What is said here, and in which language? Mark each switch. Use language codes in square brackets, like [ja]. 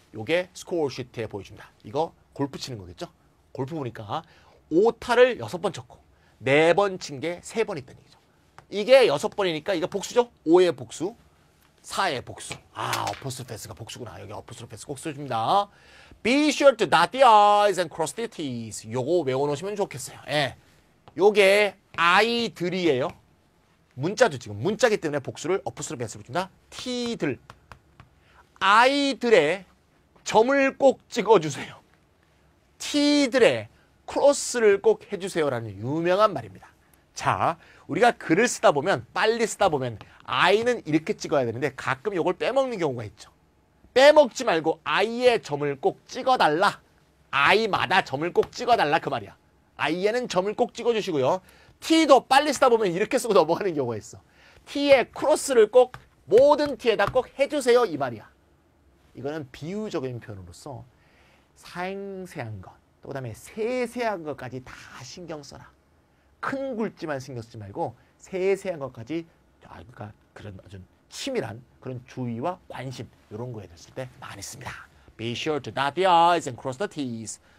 [ko] 요게 score sheet에 보여줍니다. 이거 골프 치는 거겠죠? 골프 보니까 5타를 6번 쳤고 4번 친 게 3번 있다는 얘기죠. 이게 6번이니까 이거 복수죠? 5의 복수, 4의 복수. 아, 어퍼스트패스가 복수구나. 여기 어퍼스트패스 꼭 써줍니다. [en] Be sure to dot the i's and cross the t's. [ko] 요거 외워놓으시면 좋겠어요. 예, 요게 i들이에요. 문자도 지금 문자기 때문에 복수를 어퍼스트패스로 준다. t들. i들의 점을 꼭 찍어주세요. t들의 크로스를 꼭 해주세요라는 유명한 말입니다. 자, 우리가 글을 쓰다 보면, 빨리 쓰다 보면 I는 이렇게 찍어야 되는데 가끔 이걸 빼먹는 경우가 있죠. 빼먹지 말고 I의 점을 꼭 찍어달라. I마다 점을 꼭 찍어달라 그 말이야. I에는 점을 꼭 찍어주시고요. T도 빨리 쓰다 보면 이렇게 쓰고 넘어가는 경우가 있어. T의 크로스를 꼭 모든 T에다 꼭 해주세요 이 말이야. 이거는 비유적인 표현으로서 상세한 것, 또 그다음에 세세한 것까지 다 신경 써라. 큰 굴지만 신경 쓰지 말고 세세한 것까지 그러니까 그런 아주 치밀한 그런 주의와 관심 이런 거에 됐을 때 많이 씁니다. [en] Be sure to dot the i's and cross the t's.